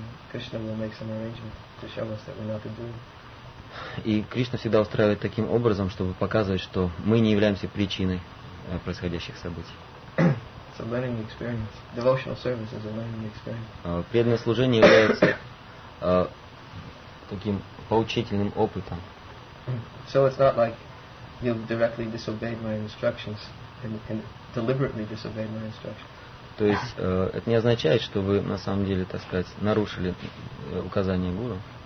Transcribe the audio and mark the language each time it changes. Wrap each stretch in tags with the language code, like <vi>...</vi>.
<en>Krishna will make some arrangement to show us that we're not to do.</en> <ru>И Кришна всегда устраивает таким образом, чтобы показывать, что мы не являемся причиной происходящих событий.</ru> <en>It's a learning experience. Devotional service is a learning experience.</en> <ru>Преданное служение является таким поучительным опытом.</ru> <en>So it's not like you've directly disobeyed my instructions in deliberately disobeyed my instructions.</en> <ru>То есть это не означает, что вы на самом деле, так сказать, нарушили указания гуру.</ru>